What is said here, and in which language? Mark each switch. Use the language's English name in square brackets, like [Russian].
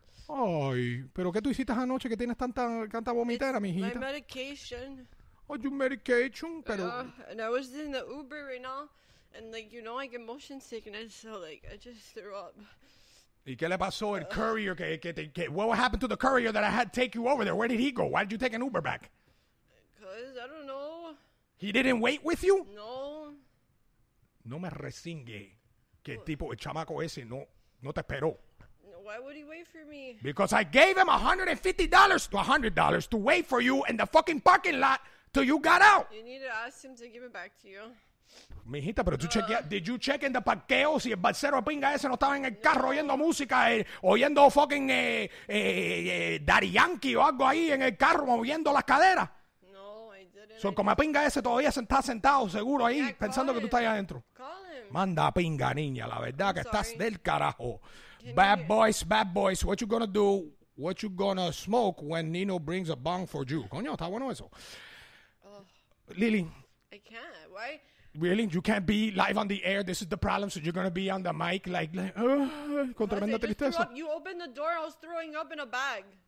[Spanish] Ay, ¿pero qué tú hiciste anoche que tienes tanta vomitera, mijita? [English] My medication. Oh, your medication, pero... And I was in the Uber right now, and like, you know, I get motion sickness, so like, I just threw up. [Spanish] ¿Y qué le pasó al courier? ¿Qué? [English] What happened to the courier that I had take you over there? Where did he go? Why did you take an Uber back? Because, I don't know. He didn't wait with you? No. [Spanish] No me resingue. que el tipo, el chamaco ese, no, no te esperó. [English] Why would he wait for me? Because I gave him $150 to $100 to wait for you in the fucking parking lot till you got out. You need to ask him to give it back to you. [Spanish] Mijita, pero tú chequea, [English] did you check in the [Spanish] parqueo si el balsero pinga ese no estaba en el carro oyendo música, oyendo fucking Daddy Yankee o algo ahí en el carro moviendo las caderas? [English] No, I didn't. [Spanish] So, como pinga ese todavía se está sentado seguro ahí pensando que tú estás ahí adentro. [English] Call him. [Spanish] Manda pinga, niña, la verdad que estás del carajo. [English] Bad boys, what you gonna do? What you gonna smoke when Nino brings a bong for you? [Spanish] Coño, está bueno eso. Lily. [English] I can't. Why? Really? You can't be live on the air? This is the problem. So you're going to be on the mic like [Spanish] con tremenda tristeza. [English] You opened the door. I was throwing up in a bag.